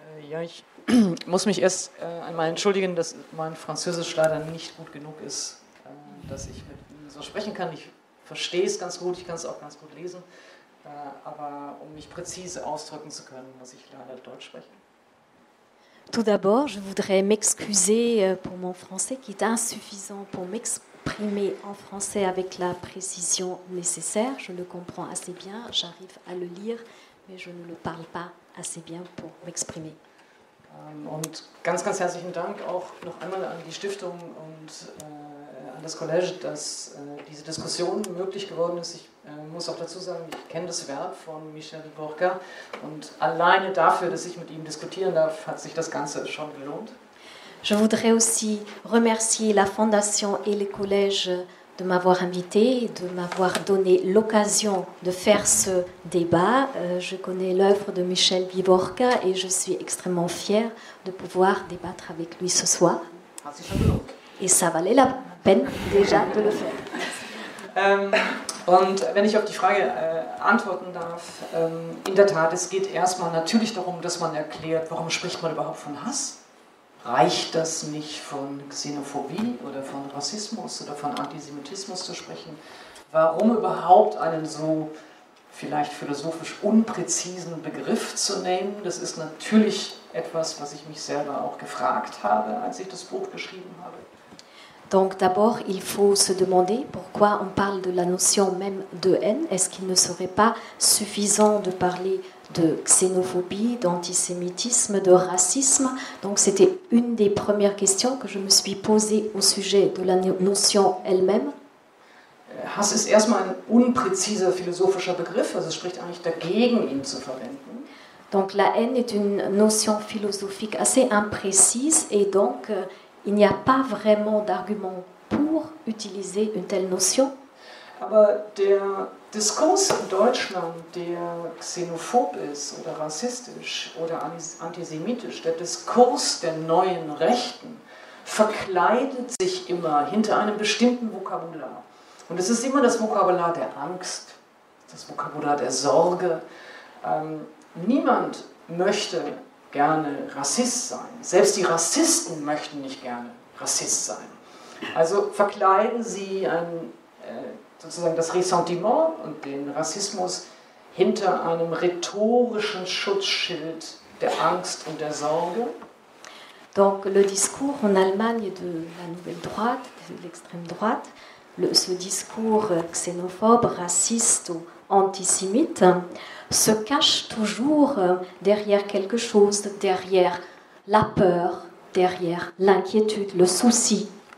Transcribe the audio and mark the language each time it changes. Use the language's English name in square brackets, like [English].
[German] Ich muss mich erst einmal entschuldigen, dass mein Französisch leider nicht gut genug ist, dass ich mit Ihnen so sprechen kann. Ich verstehe es ganz gut, ich kann es auch ganz gut lesen, aber um mich präzise ausdrücken zu können, muss ich leider Deutsch sprechen. [French] Tout d'abord, je voudrais m'excuser pour mon français qui est insuffisant pour m'exprimer en français avec la précision nécessaire. Je le comprends assez bien, j'arrive à le lire, mais je ne le parle pas assez bien pour m'exprimer. [German] Und ganz, ganz herzlichen Dank auch noch einmal an die Stiftung und an das College, dass diese Diskussion möglich geworden ist. Ich muss auch dazu sagen, ich kenne das Werk von Michel Borka und alleine dafür, dass ich mit ihm diskutieren darf, hat sich das Ganze schon gelohnt. [French] Je voudrais aussi remercier la Fondation et le College de m'avoir invité, de m'avoir donné l'occasion de faire ce débat. Je connais l'œuvre de Michel Viborka et je suis extrêmement fière de pouvoir débattre avec lui ce soir. Et ça valait la peine déjà de le faire. [German] Und wenn ich auf die Frage antworten darf, in der Tat, es geht erstmal natürlich darum, dass man erklärt, warum spricht man überhaupt von Hass? Reicht das nicht von Xenophobie oder von Rassismus oder von Antisemitismus zu sprechen? Warum überhaupt einen so vielleicht philosophisch unpräzisen Begriff zu nehmen? Das ist natürlich etwas, was ich mich selber auch gefragt habe, als ich das Buch geschrieben habe. [French] Donc d'abord, il faut se demander pourquoi on parle de la notion même de haine. Est-ce qu'il ne serait pas suffisant de parler de xénophobie, d'antisémitisme, de racisme? Donc c'était une des premières questions que je me suis posée au sujet de la notion elle-même. [German] Hass ist erstmal ein unpräziser philosophischer Begriff, also es spricht eigentlich dagegen, ihn zu verwenden. [French] Donc la haine est une notion philosophique assez imprécise et donc il n'y a pas vraiment d'argument pour utiliser une telle notion. [German] Aber der Diskurs in Deutschland, der xenophob ist oder rassistisch oder antisemitisch, der Diskurs der neuen Rechten, verkleidet sich immer hinter einem bestimmten Vokabular. Und es ist immer das Vokabular der Angst, das Vokabular der Sorge. Niemand möchte gerne Rassist sein. Selbst die Rassisten möchten nicht gerne Rassist sein. Also verkleiden sie ein, sozusagen das Ressentiment und den Rassismus hinter einem rhetorischen Schutzschild der Angst und der Sorge. [French] Donc le discours en Allemagne de la nouvelle droite, de l'extrême droite, ce discours xénophobe, raciste ou antisémite, se cache toujours derrière quelque chose, derrière la peur, derrière l'inquiétude, le souci.